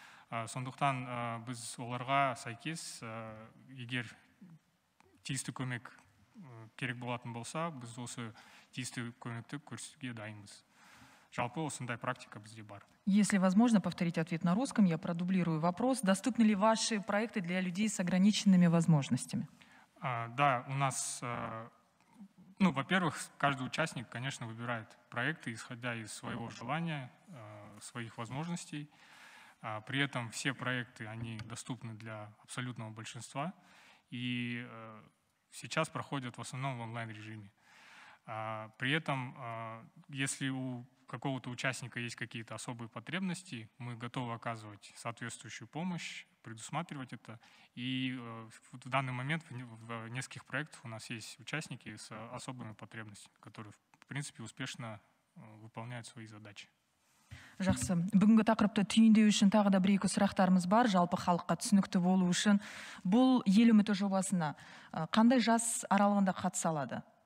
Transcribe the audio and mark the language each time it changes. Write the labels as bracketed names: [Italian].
[Kazakh] Сондықтан біз оларға сәйкес, егер тиісті көмек керек болатын болса, біз осы тиісті көмекті көрсетуге дайынбыз. Жалпы осындай практика бізде бар. [Russian] Если возможно, повторите ответ на русском, я продублирую вопрос. Доступны ли ваши проекты для людей с ограниченными возможностями? Да, у нас, во-первых, каждый участник, конечно, выбирает проекты, исходя из своего желания, своих возможностей. При этом все проекты, они доступны для абсолютного большинства и сейчас проходят в основном в онлайн-режиме. При этом, если у какого-то участника есть какие-то особые потребности, мы готовы оказывать соответствующую помощь, предусматривать это. И вот в данный момент в нескольких проектах у нас есть участники с особыми потребностями, которые, в принципе, успешно выполняют свои задачи. [Kazakh] Жақсы. Бүгінгі тақырыпты түйіндеу үшін тағы да бір-екі сұрақтарымыз бар. Жалпы халыққа түсінікті болу үшін. Бұл ел үміті жобасына қандай жас аралығында қатыса алады?